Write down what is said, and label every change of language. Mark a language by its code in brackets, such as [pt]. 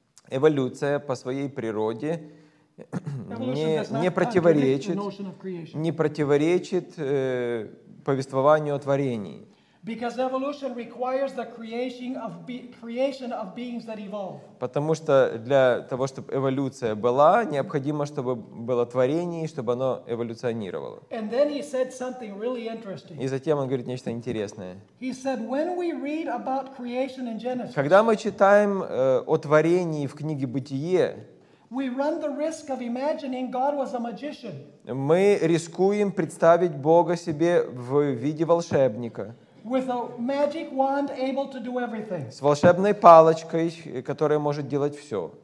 [ru] Эволюция по своей природе не противоречит повествованию о творении. [en] Because evolution requires the creation of beings that evolve. [ru] Потому что для того, чтобы эволюция была, необходимо, чтобы было творение, чтобы оно эволюционировало. [en] And then he said something really interesting. [ru] И затем он говорит нечто интересное. [en] He said, when we read about creation in Genesis, [ru] когда мы читаем о творении в книге Бытие, [en] we run the risk of imagining God was a magician. [ru] Мы рискуем представить Бога себе в виде волшебника. [en] With a magic wand able to do everything. [ru] С волшебной палочкой, которая может делать все.